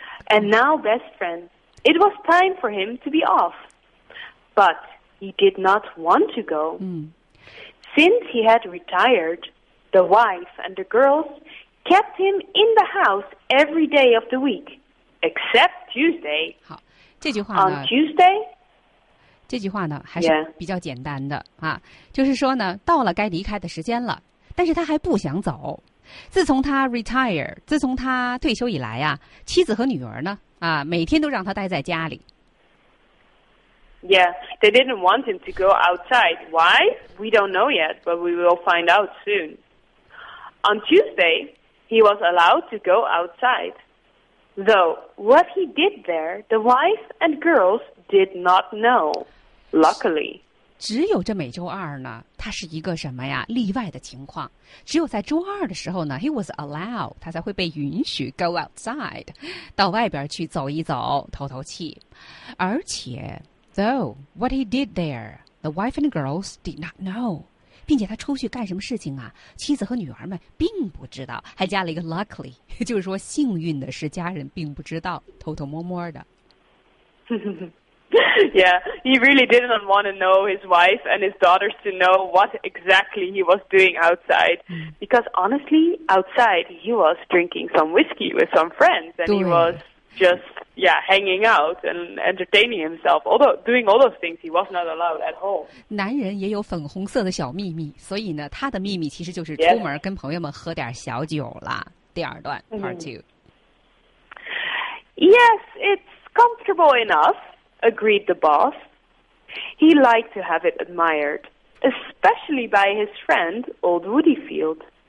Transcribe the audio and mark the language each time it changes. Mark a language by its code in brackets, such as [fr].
[en] And now, best friend, it was time for him to be off, but he did not want to go. Since he had retired, the wife and the girls kept him in the house every day of the week, except Tuesday. [zh] 好，这句话呢 [en] ？On Tuesday. [zh] 这句话呢还是比较简单的、 yeah. 啊，就是说呢，到了该离开的时间了，但是他还不想走。自从他 retire， 自从他退休以来啊，妻子和女儿呢啊，每天都让他待在家里。 [en] Yeah, they didn't want him to go outside. Why? We don't know yet, but we will find out soon. On Tuesday, he was allowed to go outside. Though what he did there, the wife and girls. Did not know. Luckily, [zh] 只有这每周二呢，它是一个什么呀？例外的情况。只有在周二的时候呢 ， [en] he was allowed， [zh] 他才会被允许 [en] go outside， [zh] 到外边去走一走，透透气。而且 [en] ，though what he did there, the wife and the girls did not know， [zh] 并且他出去干什么事情啊？妻子和女儿们并不知道，还加了一个 luckily， 就是说幸运的是家人并不知道，偷偷摸摸的。 [en] Yeah, he really didn't want to know his wife and his daughters to know what exactly he was doing outside. Because honestly, outside he was drinking some whiskey with some friends and he was just, yeah, hanging out and entertaining himself. Although doing all those things, he was not allowed at home. [zh] 男人也有粉红色的小秘密，所以呢，他的秘密其实就是出门跟朋友们喝点小酒了。第二段 , [en] part two. Yes, it's comfortable enough. Agreed the boss. He liked to have it admired, especially by his friend, Old Woodfield.